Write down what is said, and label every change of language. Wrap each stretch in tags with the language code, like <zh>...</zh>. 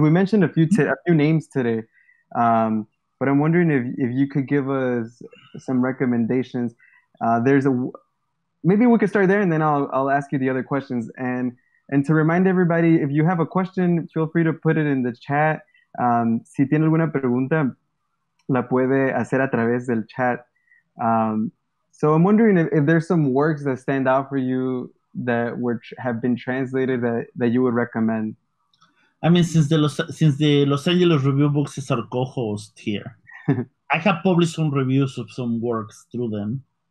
<en>We mentioned a few names today, but I'm wondering if you could give us some recommendations. Maybe we could start there, and then I'll ask you the other questions. And to remind everybody, if you have a question, feel free to put it in the chat.</en> <es>Si tiene alguna pregunta, la puede hacer a través del chat.</es> <en>So I'm wondering if there's some works that stand out for you that which have been translated that you would recommend. I mean, since the Los Angeles Review books is our co-host here, I have published some reviews of some works through them.</en>